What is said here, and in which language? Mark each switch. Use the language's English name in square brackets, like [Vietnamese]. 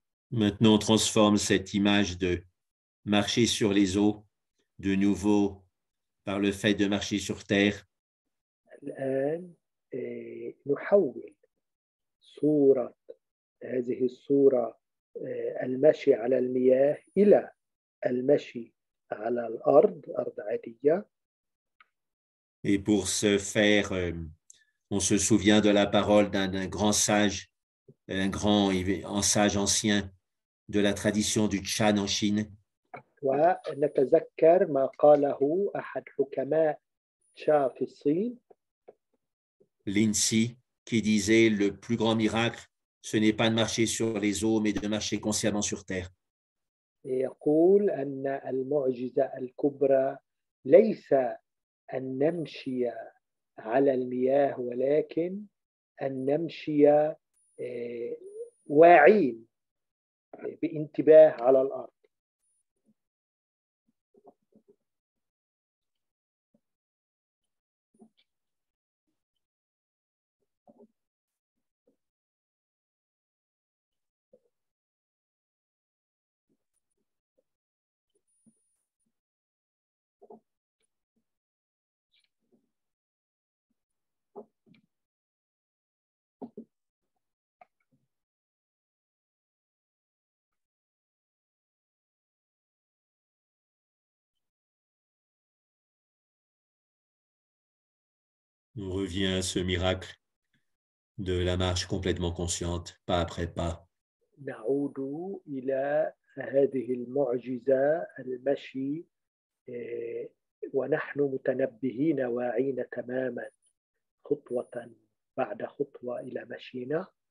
[French] Maintenant, on transforme cette image de marcher sur les eaux de nouveau par le fait de marcher sur terre. [Arabic] الآن نحول صورة هذه الصورة المشي على المياه إلى المشي على الأرض أرض عادية. [French] Et pour ce faire, on se souvient de la parole d'un grand sage, un grand un sage ancien de la tradition du Chan en Chine. [Arabic] ونتذكر ما قاله أحد حكماء تشا في الصين. [French] Linzi, qui disait le plus grand miracle, ce n'est pas de marcher sur les eaux, mais de marcher consciemment sur terre. [Arabic] يقول أن المعجزة الكبرى ليس أن نمشي على المياه ولكن أن نمشي واعين بانتباه على الأرض. [French] On revient à ce miracle de la marche complètement consciente, pas après pas. [Arabic] نعود إلى هذه المعجزة المشي ونحن متنبهين واعين تماما خطوة بعد خطوة إلى مشينا.